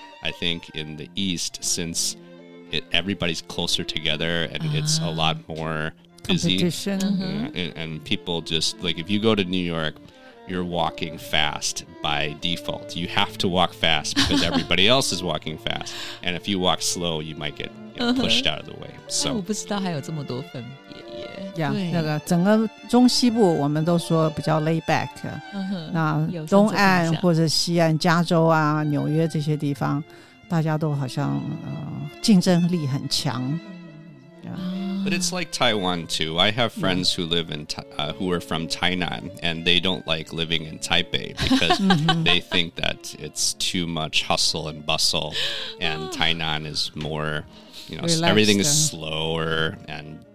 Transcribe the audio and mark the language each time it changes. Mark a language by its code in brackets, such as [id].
[en] I think in the East, since everybody's closer together and it's a lot more busy. Competition. Mm-hmm. And people just, like, if you go to New York, you're walking fast by default. You have to walk fast because everybody else is walking fast. And if you walk slow, you might get pushed out of the way. So, [zh] 我不知道还有这么多分别耶。 Yeah, 那个整个中西部我们都说比较 laid back。那东岸或者西岸，加州啊，纽约这些地方，大家都好像竞争力很强。 [en] But it's like Taiwan too. I have friends who live in who are from Tainan, and they don't like living in Taipei because they think that it's too much hustle and bustle, and Tainan is more, you know, everything is slower and